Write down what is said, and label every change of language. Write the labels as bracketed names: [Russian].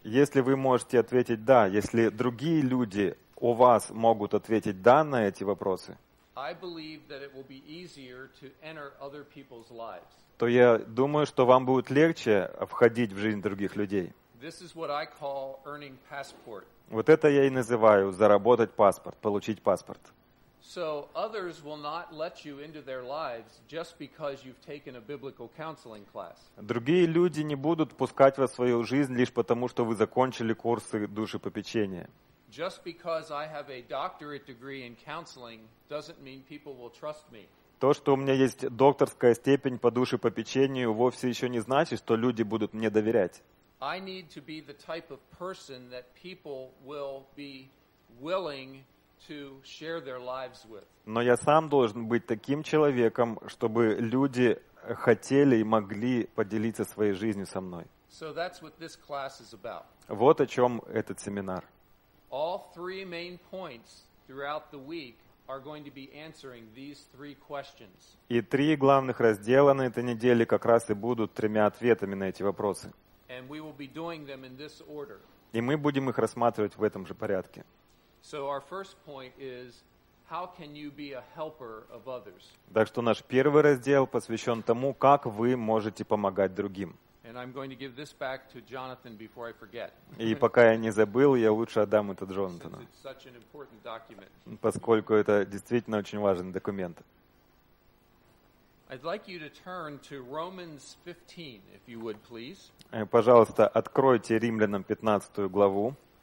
[Russian] Если вы можете ответить да, если другие люди у вас могут ответить да на эти вопросы. [English] I believe that it will be easier to enter other people's lives. [Russian] То я думаю, что вам будет легче входить в жизнь других людей. [English] This is what I call earning passport. [Russian] Вот это я и называю заработать паспорт, получить паспорт. [English] So others will not let you into their lives just because you've taken a biblical counseling class. [Russian] Другие люди не будут пускать вас в свою жизнь лишь потому, что вы закончили курсы душепопечения. [English] Just because I have a doctorate degree in counseling doesn't mean people will trust me. [Russian] То, что у меня есть докторская степень по душепопечению, вовсе еще не значит, что люди будут мне доверять. [English] I need to be the type of person that people will be willing to share their lives with. [Russian] Но я сам должен быть таким человеком, чтобы люди хотели и могли поделиться своей жизнью со мной. [English] So that's what this class is about. [Russian] Вот о чем этот семинар. [English] All three main points throughout the week are going to be answering these three questions. [Russian] И три главных раздела на этой неделе как раз и будут тремя ответами на эти вопросы. [English] And we will be doing them in this order. [Russian] И мы будем их рассматривать в этом же порядке. [English] So our first point is, how can you be a helper of others? [Russian] Так что наш первый раздел посвящен тому, как вы можете помогать другим. [English] And I'm going to give this back to Jonathan before I forget. [Russian] И пока я не забыл, я лучше отдам это Джонатану. [English] Since it's such an important document. [Russian] Поскольку это действительно очень важный документ. [English] I'd like you to turn to Romans 15, if you would, please. [Russian] Пожалуйста, откройте Римлянам 15 главу.